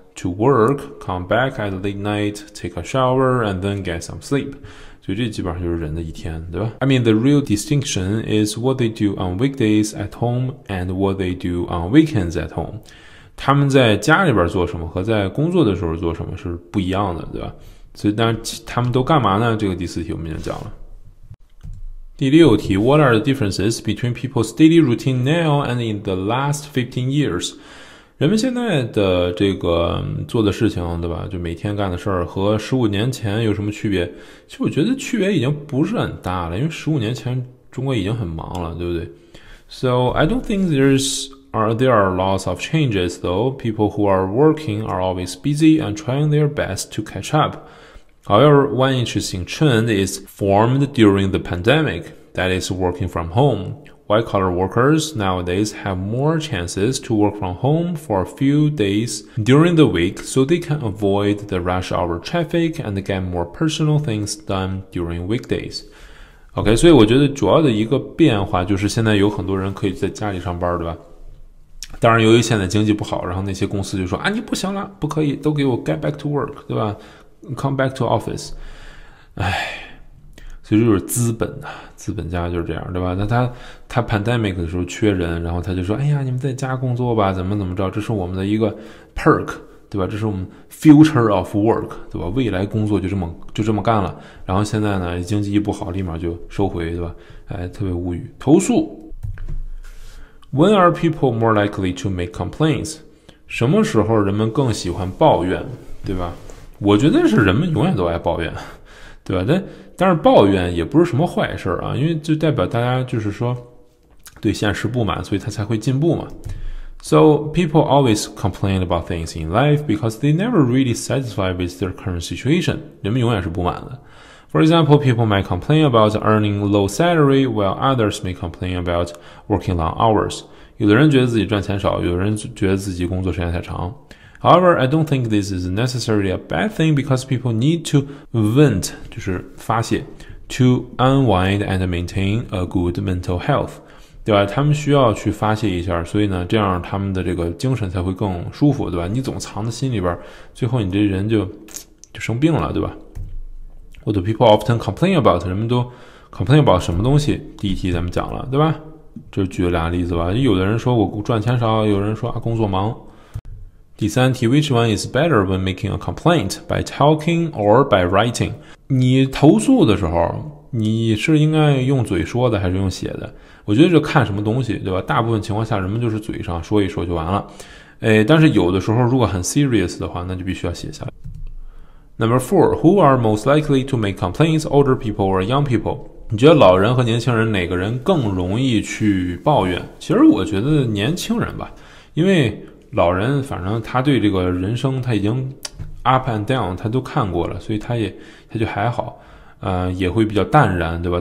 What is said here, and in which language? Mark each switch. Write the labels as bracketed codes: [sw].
[en] To work, come back at late night, take a shower, and then get some sleep. [zh] 所以这基本上就是人的一天，对吧？ [en] I mean, the real distinction is what they do on weekdays at home and what they do on weekends at home. [zh] 他们在家里边做什么和在工作的时候做什么是不一样的，对吧？所以那他们都干嘛呢？这个第四题我们已经讲了。第六题 [en] What are the differences between people's daily routine now and in the last 15 years? [zh] 人们现在的这个做的事情，对吧？就每天干的事儿和15年前有什么区别？其实我觉得区别已经不是很大了，因为15年前中国已经很忙了，对不对 ？ [en] So I don't think there are lots of changes though. People who are working are always busy and trying their best to catch up. However, one interesting trend is formed during the pandemic, that is working from home. White-collar workers nowadays have more chances to work from home for a few days during the week so they can avoid the rush hour traffic and get more personal things done during weekdays. [zh] OK, 所以我觉得主要的一个变化就是现在有很多人可以在家里上班，对吧？当然由于现在经济不好，然后那些公司就说啊，你不行了，不可以，都给我 [en] get back to work, [zh] 对吧？ [en] Come back to office. [zh] 哎，所以这就是资本啊，资本家就是这样，对吧？那他 pandemic 的时候缺人，然后他就说，哎呀，你们在家工作吧，怎么怎么着，这是我们的一个 perk, 对吧？这是我们 [en] future of work, [zh] 对吧？未来工作就这么干了。然后现在呢，经济一不好，立马就收回，对吧？哎，特别无语。投诉。 [en] When are people more likely to make complaints? [zh] 什么时候人们更喜欢抱怨，对吧？我觉得是人们永远都爱抱怨，对吧？但是抱怨也不是什么坏事啊，因为就代表大家就是说对现实不满，所以他才会进步嘛。 [en] So people always complain about things in life because they never really satisfied with their current situation. [zh] 人们永远是不满的。 [en] For example, people might complain about earning low salary, while others may complain about working long hours. [zh] 有的人觉得自己赚钱少，有的人觉得自己工作时间太长。 [en] However, I don't think this is necessarily a bad thing because people need to vent, [zh] 就是发泄 [en] to unwind and maintain a good mental health, [zh] 对吧？他们需要去发泄一下，所以呢，这样他们的这个精神才会更舒服，对吧？你总藏在心里边，最后你这人就生病了，对吧？ [en] What do people often complain about? [zh] 人们都 [en] complain about [zh] 什么东西？第一题咱们讲了，对吧？就举了两个例子吧。有的人说我赚钱少，有人说啊工作忙。第三题 [en] ,which one is better when making a complaint, by talking or by writing? [zh] 你投诉的时候你是应该用嘴说的还是用写的？我觉得这看什么东西，对吧？大部分情况下人们就是嘴上说一说就完了。哎，但是有的时候如果很 serious 的话，那就必须要写下来。 [en] Number four, who are most likely to make complaints, older people or young people? [zh] 你觉得老人和年轻人哪个人更容易去抱怨？其实我觉得年轻人吧，因为老人反正他对这个人生他已经 up and down 他都看过了，所以他就还好，也会比较淡然，对吧？